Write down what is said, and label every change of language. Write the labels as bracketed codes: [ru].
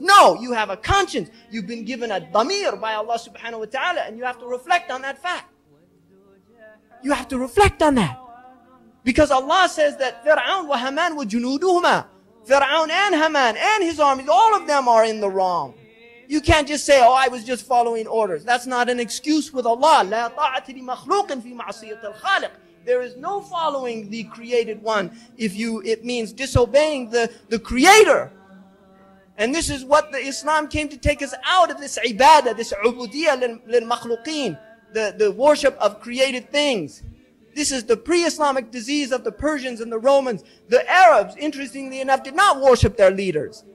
[en] No, you have a conscience. You've been given a damir by Allah subhanahu wa ta'ala, and you have to reflect on that fact. You have to reflect on that. Because Allah says that Fir'aun wa Haman wa junuduhuma. Fir'aun and Haman and his armies, all of them are in the wrong. You can't just say, oh, I was just following orders. That's not an excuse with Allah. [ar] لا طاعة لمخلوقٍ في معصية الخالق. [en] There is no following the created one if you, it means disobeying the creator. And this is what the Islam came to take us out of, this ibadah, this ubudiyah lil-makhluqeen, the worship of created things. This is the pre-Islamic disease of the Persians and the Romans. The Arabs, interestingly enough, did not worship their leaders.